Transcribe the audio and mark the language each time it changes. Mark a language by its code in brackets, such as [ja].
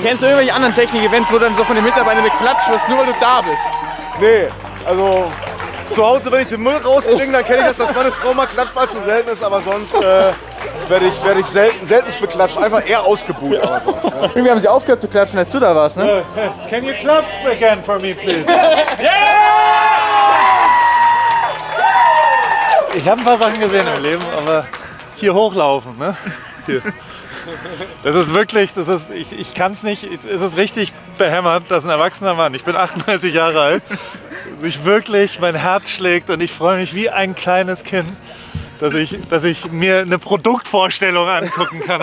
[de] Kennst du irgendwelche anderen Technik-Events, wo dann so von den Mitarbeitern beklatscht wirst, nur weil du da bist? Nee, also zu Hause, wenn ich den Müll rausbringe, dann kenne ich das, dass meine Frau mal klatscht, weil es so selten ist, aber sonst werde ich seltenst beklatscht. Einfach eher ausgebuht. Ja. Irgendwie haben sie aufgehört zu klatschen, als du da warst, ne? [en] Can you clap again for me, please? Yeah! [de] Ich habe ein paar Sachen gesehen im Leben, aber hier hochlaufen, ne? Hier. Das ist wirklich, ich kann es nicht, es ist richtig behämmert, dass ein erwachsener Mann, ich bin 38 Jahre alt, sich wirklich mein Herz schlägt und ich freue mich wie ein kleines Kind, dass ich mir eine Produktvorstellung angucken kann.